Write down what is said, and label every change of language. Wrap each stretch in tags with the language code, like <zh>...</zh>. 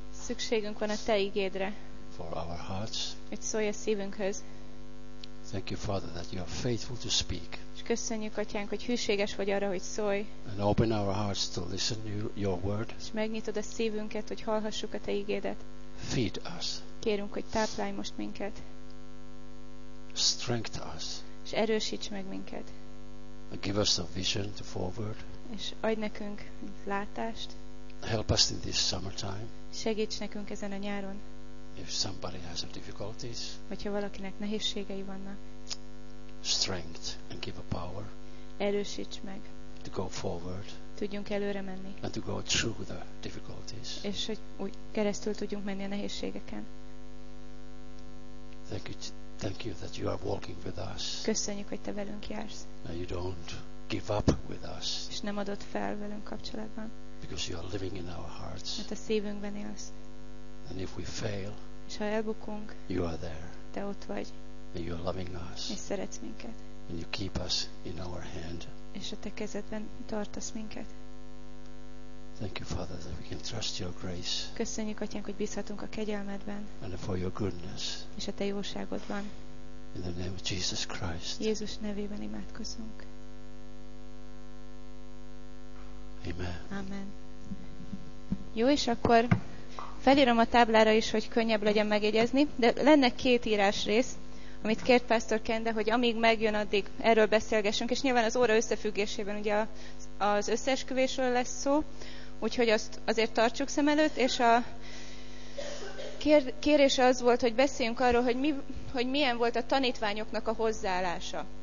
<hu>Szükségünk van a te ígédre.</hu> <en>For our hearts.</en> <hu>Hogy szólj a szívünkhöz.</hu> <en>Thank you, Father, that you are faithful to speak.</en> <hu>És köszönjük, Atyánk, hogy hűséges vagy arra, hogy szólj.</hu> <en>And open our hearts to listen to your word.</en> <hu>És megnyitod a szívünket, hogy hallhassuk a te ígédet.</hu> <en>Feed us.</en> <hu>Kérünk, hogy táplálj most minket.</hu> <en>Strength us.</en> <hu>És erősíts meg minket.</hu> <en>And give us a vision to forward.</en> <hu>És adj nekünk látást.</hu> <en>Help us in this summertime.</en> <hu>Segíts nekünk ezen a nyáron.</hu> <en>If somebody has difficulties.</en> <hu>Hogyha valakinek nehézségei vannak.</hu> <en>Strength and give a power.</en> <hu>Erősíts meg.</hu> <en>To go forward.</en> <hu>Tudjunk előre menni.</hu> <en>And to go through the difficulties.</en> <hu>És hogy úgy keresztül tudjunk menni a nehézségeken.</hu> <en>Thank you that you are walking with us.</en> <hu>Köszönjük, hogy te velünk jársz.</hu> <en>And you don't give up with us.</en> <hu>És nem adod fel velünk kapcsolatban.</hu> <en>Because you are living in our hearts.</en> <hu>Mert a szívünkben élsz.</hu> <en>And if we fail,</en> <hu>és ha elbukunk,</hu> <en>you are there.</en> <hu>Te ott vagy.</hu> <en>And you are loving us.</en> <hu>És szeretsz minket.</hu> <en>And you keep us in our hand.</en> <hu>És a te kezedben tartasz minket.</hu> <en>Thank you, Father, that we can trust your grace.</en> <hu>Köszönjük, Atyánk, hogy bízhatunk a kegyelmedben.</hu> <en>And for your goodness.</en> <hu>És a te jóságodban.</hu> <en>In the name of Jesus Christ.</en> <hu>Jézus nevében imádkozunk.</hu> <en>Amen.</en> <hu>Amen. Jó, és akkor felírom a táblára is, hogy könnyebb legyen megjegyezni, de lenne két írásrész, amit kért Pásztor Kende, hogy amíg megjön, addig erről beszélgessünk, és nyilván az óra összefüggésében ugye az összeesküvésről lesz szó, úgyhogy azt azért tartsuk szem előtt, és a kérés az volt, hogy beszéljünk arról, hogy milyen volt a tanítványoknak a hozzáállása.</hu>